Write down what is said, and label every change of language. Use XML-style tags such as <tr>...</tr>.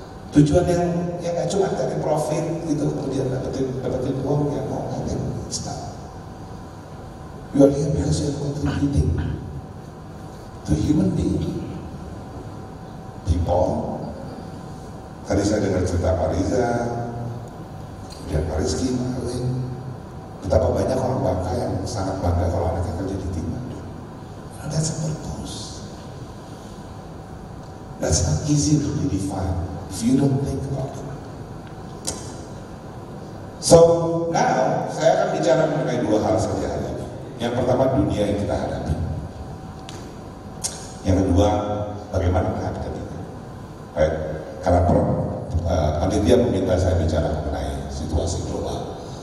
<id>Tujuan yang gak cuma dari profit, itu kemudian dapetin uang yang mau ngapain,</id> <en>it's not. You are here because you are contributing to human being, people.</en> <id>Tadi saya dengar cerita Pak Riza, dan Pak Rizky, Pak Win. Betapa banyak orang bangga yang sangat bangga kalau anaknya kerja di Timah.</id> <en>That's a purpose. That's not easy to define if you don't think about it. So now</en> <id>saya akan bicara mengenai dua hal saja. Yang pertama dunia yang kita hadapi. Yang kedua bagaimana menghadapinya. Baik, karena panitia meminta saya bicara mengenai situasi global.</id>